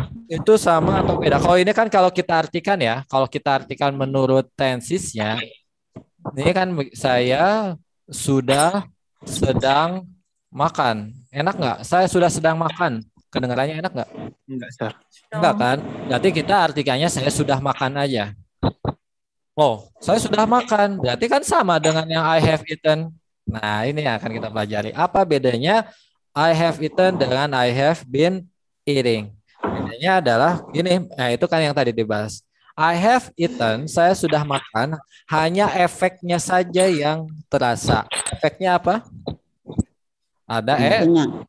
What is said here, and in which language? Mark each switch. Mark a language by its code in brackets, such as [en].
[id] Itu sama atau beda? Kalau ini kan kalau kita artikan ya, kalau kita artikan menurut tensisnya, ini kan saya sudah sedang makan. Enak nggak? Saya sudah sedang makan. Kedengarannya enak nggak? Enggak kan? Berarti kita artikannya saya sudah makan aja. Oh, saya sudah makan. Berarti kan sama dengan yang [en] I have eaten. [id] Nah, ini yang akan kita pelajari. Apa bedanya [en] I have eaten [id] dengan [en] I have been eating? [id] Bedanya adalah gini. Nah, itu kan yang tadi dibahas. [en] I have eaten, [id] saya sudah makan, hanya efeknya saja yang terasa. Efeknya apa? Ada efeknya.